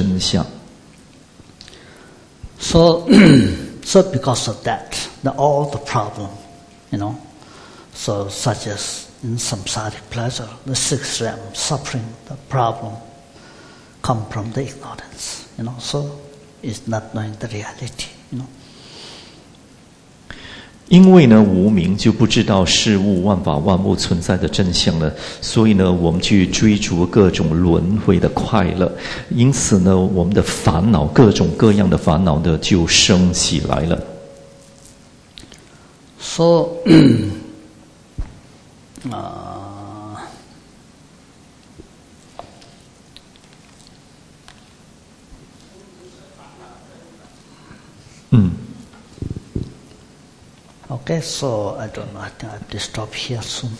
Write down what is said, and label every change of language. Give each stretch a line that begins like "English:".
Chinese: 所以呢，这个第一支无明支呢，由这个盲人呢、盲老人来代表。这个代表是什么呢？无明指的就是不知道万法万物它存在的那个真相。
English: So so because of that, the all the problem, you know, so such as in samsaric pleasure, the six realm suffering, the problem come from the ignorance, you know. So is not knowing the reality, you know.
Chinese: 因为呢，无明就不知道事物万法万物存在的真相了，所以呢，我们去追逐各种轮回的快乐，因此呢，我们的烦恼，各种各样的烦恼呢，就升起来了。
English: So, Okay, so I don't know. I think I have to stop here soon.